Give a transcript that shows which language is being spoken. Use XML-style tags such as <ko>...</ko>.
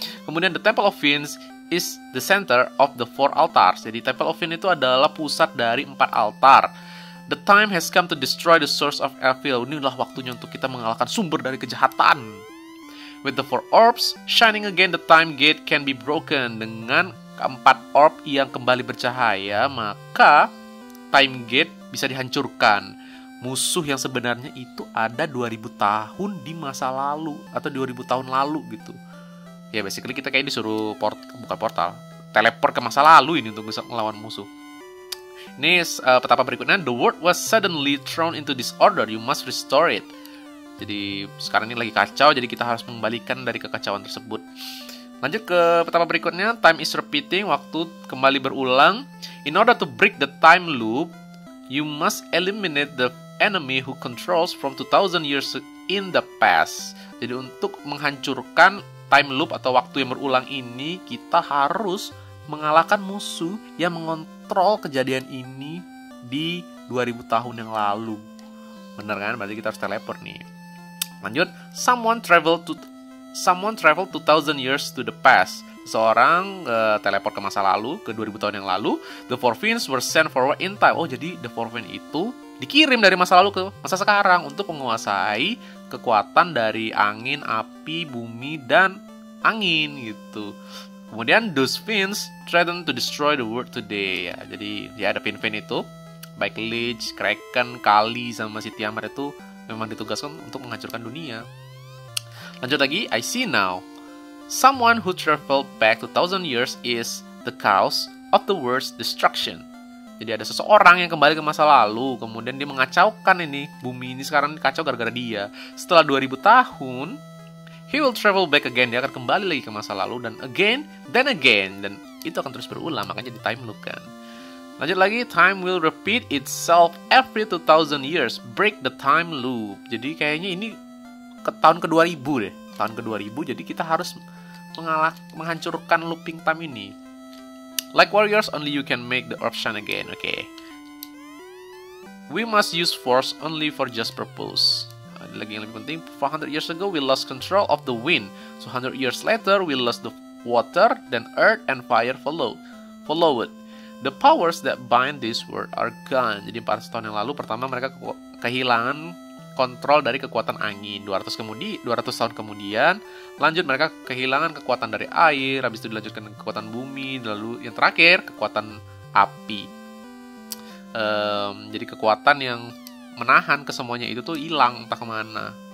<id>Kemudian</id> <en>the Temple of Fiends is the center of the four altars.</en> <id>Jadi Temple of Fiends itu adalah pusat dari empat altar.</id> <en>The time has come to destroy the source of evil.</en> <id>Ini adalah waktunya untuk kita mengalahkan sumber dari kejahatan.</id> <en>With the four orbs shining again, the time gate can be broken.</en> <id>Dengan keempat orb yang kembali bercahaya, maka time gate bisa dihancurkan. Musuh yang sebenarnya itu ada 2000 tahun di masa lalu atau 2000 tahun lalu gitu. Ya basically kita kayak disuruh teleport ke masa lalu ini untuk bisa melawan musuh. Ini petapa berikutnya.</id> <en>The world was suddenly thrown into disorder. You must restore it.</en> <id>Jadi sekarang ini lagi kacau, jadi kita harus mengembalikan dari kekacauan tersebut. Lanjut ke petapa berikutnya.</id> <en>Time is repeating.</en> <id>Waktu kembali berulang.</id> <en>In order to break the time loop, you must eliminate the enemy who controls from 2000 years in the past.</en> <id>Jadi untuk menghancurkan time loop atau waktu yang berulang ini, kita harus mengalahkan musuh yang mengontrol kejadian ini di 2000 tahun yang lalu. Benar kan? Berarti kita harus teleport nih. Lanjut,</id> <en>someone traveled 2000 years to the past.</en> <id>Seorang teleport ke masa lalu, ke 2000 tahun yang lalu.</id> <en>The Four Fiends were sent forward in time.</en> <id>Oh, jadi The Four Fiends itu dikirim dari masa lalu ke masa sekarang untuk menguasai kekuatan dari angin, api, bumi, dan angin gitu. Kemudian</id> <en>those fiends threaten to destroy the world today.</en> <id>Ya, jadi ya ada fin-fin itu, baik Lich, Kraken, Kali, sama si Tiamat itu memang ditugaskan untuk menghancurkan dunia. Lanjut lagi,</id> <en>I see now. Someone who traveled back 2000 years is the cause of the world's destruction.</en> <id>Jadi ada seseorang yang kembali ke masa lalu, kemudian dia mengacaukan ini, bumi ini sekarang kacau gara-gara dia. Setelah 2000 tahun,</id> <en>he will travel back again,</en> <id>dia akan kembali lagi ke masa lalu, dan</id> <en>again, then again,</en> <id>dan itu akan terus berulang, makanya jadi time loop kan. Lanjut lagi,</id> <en>time will repeat itself every 2000 years, break the time loop.</en> <id>Jadi kayaknya ini tahun ke-2000, jadi kita harus menghancurkan looping time ini.</id> <en>Like warriors, only you can make the orb shine again. Okay. We must use force only for just purpose.</en> <id>Lagi yang lebih penting,</id> <en>400 years ago we lost control of the wind. So 100 years later we lost the water, then earth and fire followed. The powers that bind this world are gone.</en> <id>Jadi 400 tahun yang lalu pertama mereka kehilangan kontrol dari kekuatan angin. 200 tahun kemudian lanjut mereka kehilangan kekuatan dari air, habis itu dilanjutkan kekuatan bumi, lalu yang terakhir kekuatan api. Jadi kekuatan yang menahan kesemuanya itu tuh hilang entah kemana.</id>